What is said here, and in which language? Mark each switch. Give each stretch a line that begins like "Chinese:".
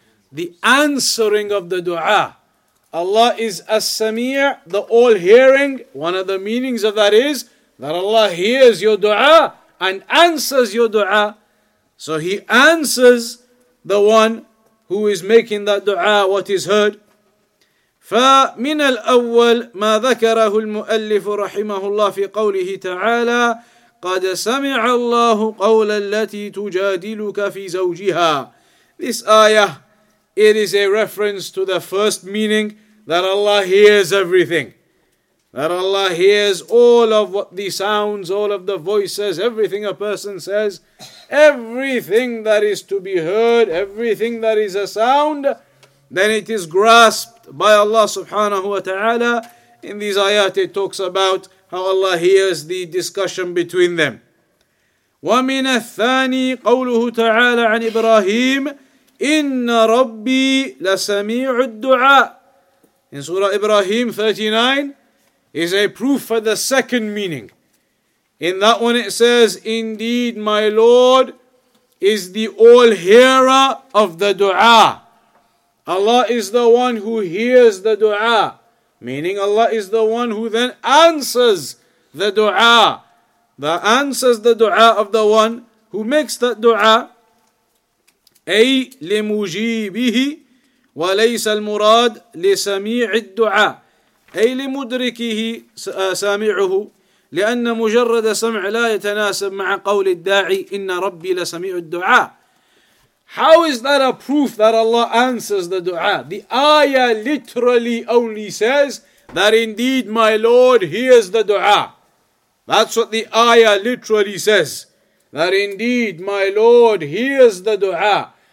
English: The answering of the dua. Allah is As-Sami', the all hearing. One of the meanings of that is that Allah hears your dua and answers your dua. So He answers the one who is making that dua, what is heard.
Arabic: فمن الأول ما ذكره المؤلف رحمه الله في قوله تعالى قد سمع الله قول التي تجادلك في زوجها.
English: This ayah, it is a reference to the first meaning that Allah hears everything. That Allah hears all of what the sounds, all of the voices, everything a person says, everything that is to be heard, everything that is a sound, then it is grasped by Allah subhanahu wa ta'ala. In these ayat it talks about how Allah hears the discussion between them.
Arabic: وَمِنَ الثَّانِي قَوْلُهُ تَعَالَى عَنْ إِبْرَاهِيمِ إِنَّ رَبِّي لَسَمِيعُ الدُّعَاءِ.
English: In Surah Ibrahim 39 is a proof for the second meaning. In that one it says, indeed my Lord is the all-hearer of the dua. Allah is the one who hears the dua, meaning Allah is the one who then answers the dua, that answers the dua of the one who makes that dua.
Arabic: أي لمجيبه وليس المراد لسميع الدعاء أي لمدركه سامعه لأن مجرد سمع لا يتناسب مع قول الداعي إن ربي لسميع الدعاء.
English: How is that a proof that Allah answers the dua? The ayah literally only says that indeed my Lord hears the dua. That's what the ayah literally says. That indeed my Lord hears the dua.